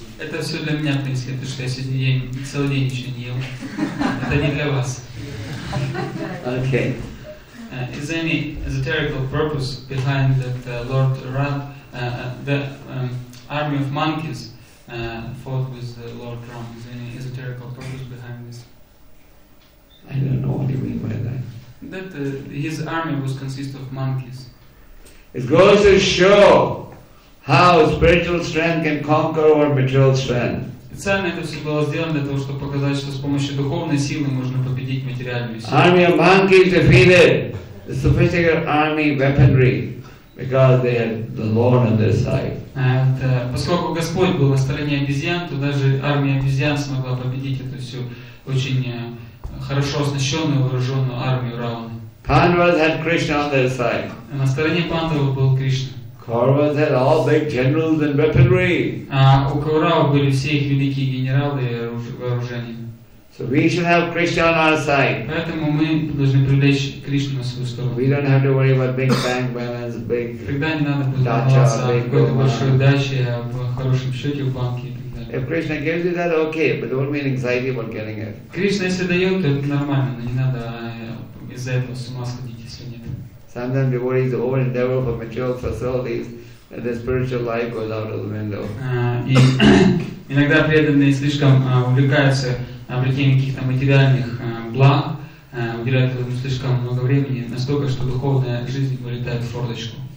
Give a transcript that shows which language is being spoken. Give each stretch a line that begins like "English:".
Russian: Это все для меня, в принципе, то, что я сегодня целый день еще не ел. Это не для вас.
English: Okay. Is there any esoterical purpose behind that Lord Ram, the army of monkeys fought with Lord Ram? Is there any esoterical purpose behind this? I don't know what you mean by that. That his army was consist of monkeys. It goes to show how spiritual strength can conquer over material strength.
Russian: Специально это все было сделано для того, чтобы показать, что с помощью духовной силы можно победить материальную силу.
English: Army of monkeys defeated the sophisticated army weaponry because they had the Lord on their side.
Russian: Поскольку Господь был на стороне обезьян, то даже армия обезьян смогла победить эту всю очень хорошо оснащенную, вооруженную армию Равана.
English: Pandavas had Krishna on their side.
Russian: На стороне Пандавы был Кришна.
English: Kauravas had all big generals and weaponry.
Russian: У Кауравы были все их великие генералы и вооружение.
English: So we should have Krishna on our side.
Russian: Поэтому мы должны привлечь Кришну на свою сторону.
English: We don't have to worry about big bank balance, big.
Russian: Когда не надо подумываться о какой-то большой удаче, а в хорошем счете в банке.
English: If Krishna gives you that, okay, but don't be anxiety about getting it.
Russian: Кришна если дает, то это нормально, но не надо из-за этого с ума сходить, если нет.
English: Sometimes devotees over-endeavor for material facilities, and the spiritual life goes out of the window.
Russian: Иногда преданные слишком увлекаются обретением каких-то материальных благ, уделяют им слишком много времени, настолько, что духовная жизнь вылетает в форточку.